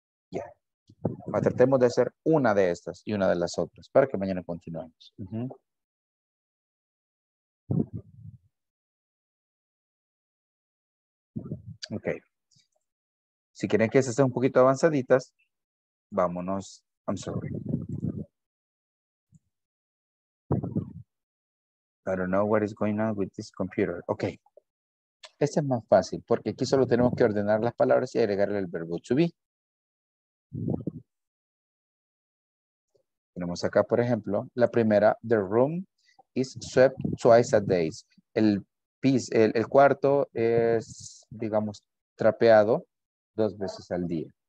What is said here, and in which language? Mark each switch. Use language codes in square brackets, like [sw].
[es] Yeah. Tratemos de hacer una de estas y una de las otras para que mañana continuemos. Ok. Si quieren que se estén un poquito avanzaditas, vámonos. [en] I'm sorry. I don't know what is going on with this computer. Ok. [es] Este es más fácil porque aquí solo tenemos que ordenar las palabras y agregarle el verbo to be. Tenemos acá, por ejemplo, la primera, [en] the room is swept twice a day. [es] El piso, el cuarto es, digamos, trapeado 2 veces al día.